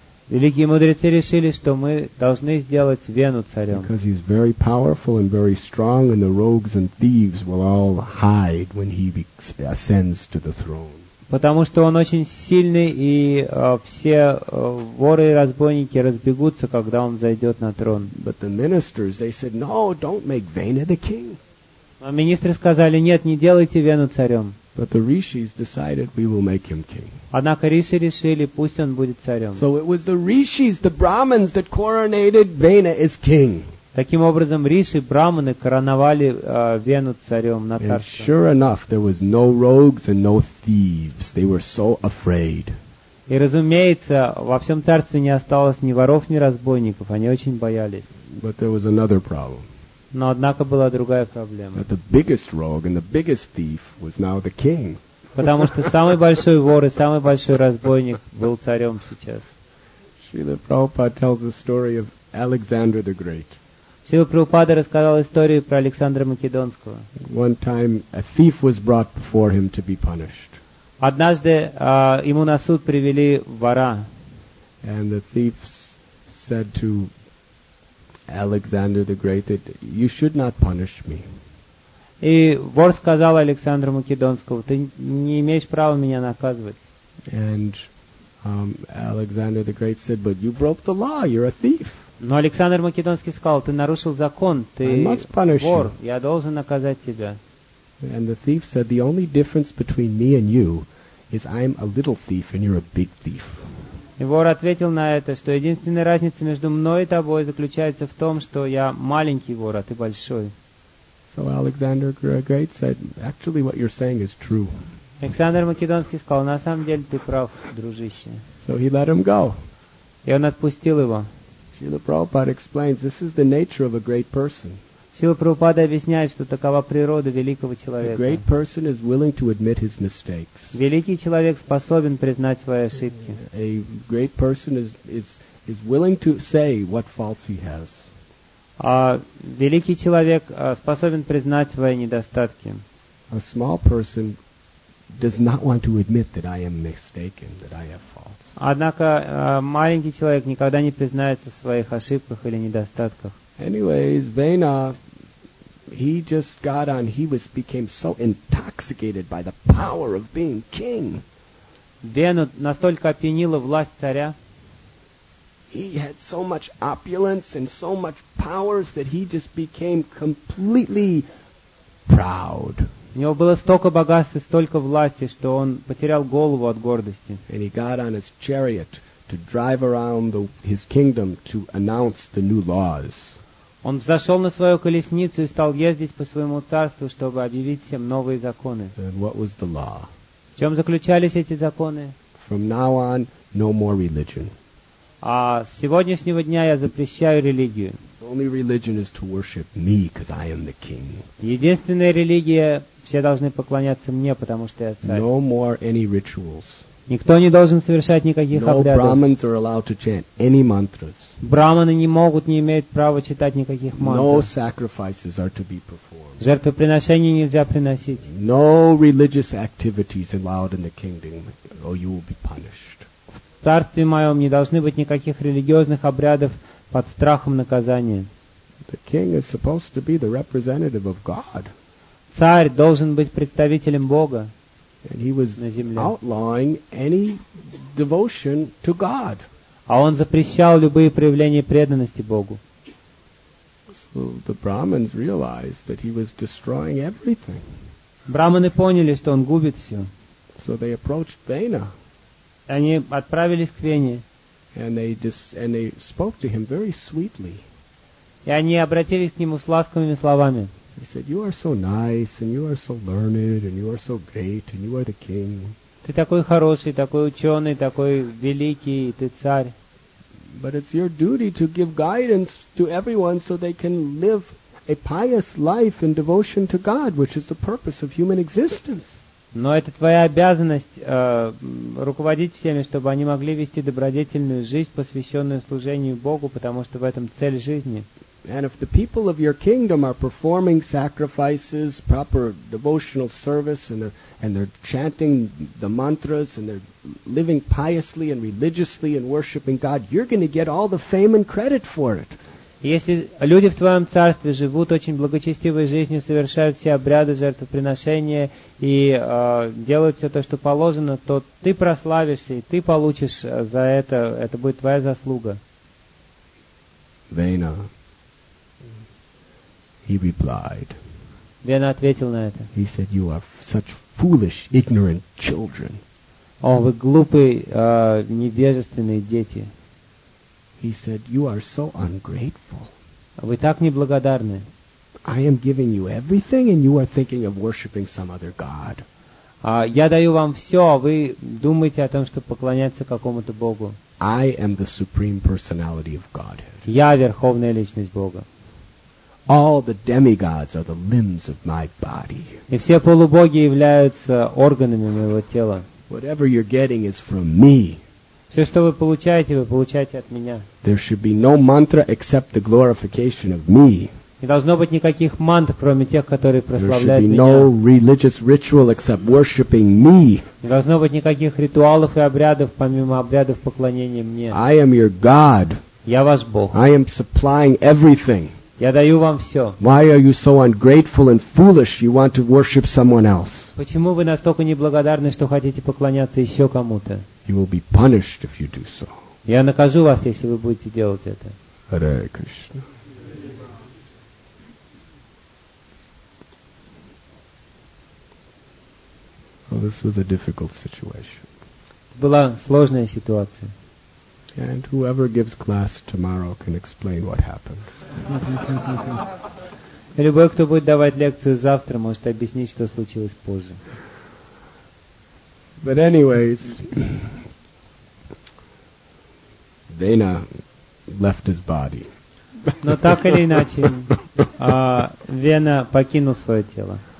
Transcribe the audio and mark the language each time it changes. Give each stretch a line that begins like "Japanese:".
Russian: Великие мудрецы решили, что мы должны сделать Вену царем.
English: Because he's very powerful and very strong, and the rogues and thieves will all hide when he ascends to the throne.
Russian: Потому что он очень сильный, и все воры и разбойники разбегутся, когда он зайдет на трон.
English: But the ministers, they said, no, don't make Vena the king.
Russian: А министры сказали, нет, не делайте Вену царем.
English: But the rishis decided we will make him king.
Russian: Однако риши решили, пусть он будет царем.
English: So it was the rishis, the brahmins, that coronated Vena as king.
Russian: Таким образом, риши, брахманы короновали Вену царем на царство.
English: And sure enough, there was no rogues and no thieves. They were so afraid.
Russian: И разумеется, во всем царстве не осталось ни воров, ни разбойников. Они очень боялись.
English: But there was another problem.
Russian: Но, однако, была другая проблема.
English: The biggest rogue and the biggest thief was now the king.
Russian: Потому что самый большой вор и самый большой разбойник был царем сейчас.
English: Шрила Прабхупада tells the story of Alexander the Great.
Russian: Шрила Прабхупада рассказал историю про Александра Македонского.
English: One time a thief was brought before him to be punished.
Russian: Однажды ему на суд привели вора.
English: And the thief said to Alexander the Great, that you should not punish me.
Russian: И вор сказал Александру Македонскому, ты не имеешь права меня наказывать.
English: And Alexander the Great said, but you broke the law, you're a thief.
Russian: Но Александр Македонский сказал, ты нарушил закон, ты вор, я должен наказать тебя.
English: And the thief said, the only difference between me and you is I'm a little thief and you're a big thief.
Russian: И вор ответил на это, что единственная разница между мной и тобой заключается в том, что я маленький вор, а ты большой.
English: So Alexander Great said, actually what you're saying is true.
Russian: Александр Македонский сказал, на самом деле ты прав, дружище.
English: So he let him go.
Russian: И он отпустил его.
English: Srila Prabhupada explains, this is the nature of a great person.
Russian: Srila Prabhupada объясняет, что такова природа великого человека.
English: A great person is willing to admit his mistakes.
Russian: Великий человек способен признать свои ошибки.
English: A great person is willing to say what faults he has.
Russian: А великий человек способен признать свои недостатки.
English: A small person does not want to admit that I am mistaken, that I have faults.
Russian: Однако маленький человек никогда не признается в своих ошибках или недостатках.
English: Anyways, Vena, he just got on, he was became so intoxicated by the power of being king.
Russian: Вену настолько опьянила власть царя.
English: He had so much opulence and so much powers that he just became completely proud.
Russian: У него было столько богатств и столько власти, что он потерял голову от гордости.
English: And he got on his chariot to drive around his kingdom to announce the new laws.
Russian: Он взошел на свою колесницу и стал ездить по своему царству, чтобы объявить всем новые законы.
English: And what was the law?
Russian: В чем заключались эти законы?
English: From now on, no more religion.
Russian: А с сегодняшнего дня я запрещаю религию.
English: Only religion is to worship me, because I am the king.
Russian: Единственная религия, все должны поклоняться мне, потому что я царь.
English: No more any rituals.
Russian: Никто не должен совершать никаких обрядов.
English: No brahmins are allowed to chant any mantras.
Russian: Брахманы не могут, не имеют права читать никаких мантр.
English: No sacrifices are to be performed.
Russian: Жертвоприношения нельзя приносить.
English: No religious activities allowed in the kingdom, or you will be punished.
Russian: В царстве моем не должны быть никаких религиозных обрядов под страхом наказания.
English: The king is supposed to be the representative of God.
Russian: Царь должен быть представителем Бога.
English: And he was outlawing any devotion to God.
Russian: А он запрещал любые проявления преданности Богу.
English: So the Brahmins realized that he was destroying everything.
Russian: Брахманы поняли, что он губит все.
English: So they approached Vena.
Russian: Они отправились к Вене.
English: And they spoke to him very sweetly.
Russian: И они обратились к нему с ласковыми словами.
English: He said, "You are so nice, and you are so learned, and you are so great, and you are the king."
Russian: Ты такой хороший, такой ученый, такой великий, ты царь.
English: But it's your duty to give guidance to everyone so they can live a pious life in devotion to God, which is the purpose of human existence.
Russian: Но это твоя обязанность руководить всеми, чтобы они могли вести добродетельную жизнь, посвященную служению Богу, потому что в этом цель жизни.
English: And if the people of your kingdom are performing sacrifices, proper devotional service, and they're chanting the mantras, and they're living piously and religiously and worshiping God, you're going to get all the fame and credit for it.
Russian: Если люди в твоем царстве живут очень благочестивой жизнью, совершают все обряды жертвоприношения и делают все то, что положено, то ты прославишься, и ты получишь за это. Это будет твоя заслуга.
English: Vena. He replied.
Russian: Вена ответил на это.
English: He said, "You are such foolish, ignorant children."
Russian: О, вы глупые, невежественные дети.
English: He said, "You are so ungrateful."
Russian: Вы так неблагодарны.
English: I am giving you everything, and you are thinking of worshiping some other god.
Russian: Я даю вам все, а вы думаете о том, чтобы поклоняться какому-то богу.
English: I am the supreme personality of Godhead.
Russian: Я верховная личность Бога.
English: All the demigods are the limbs of my body.
Russian: И все полубоги являются органами моего тела.
English: Whatever you're getting is from me.
Russian: Все, что вы получаете от меня.
English: There should be no mantra except the glorification of me.
Russian: Не должно быть никаких мантр, кроме тех, которые прославляют меня.
English: There should be no religious ritual except worshiping me.
Russian: Не должно быть никаких ритуалов и обрядов, помимо обрядов поклонения мне.
English: I am your God.
Russian: Я ваш Бог.
English: I am supplying everything.
Russian: Я даю вам все.
English: Why are you so ungrateful and foolish? You want to worship someone else.
Russian: Почему вы настолько неблагодарны, что хотите поклоняться еще кому-то?
English: You will be punished if you do so.
Russian: Я накажу вас, если вы будете делать это.
English: Hare Krishna. So this was a difficult situation.
Russian: Была сложная ситуация.
English: And whoever gives class tomorrow can explain what happened.
Russian: Любой, кто будет давать лекцию завтра, может объяснить, что случилось позже.
English: But anyways, Dana left his body.
Russian: Но так или иначе, Вена покинул свое тело.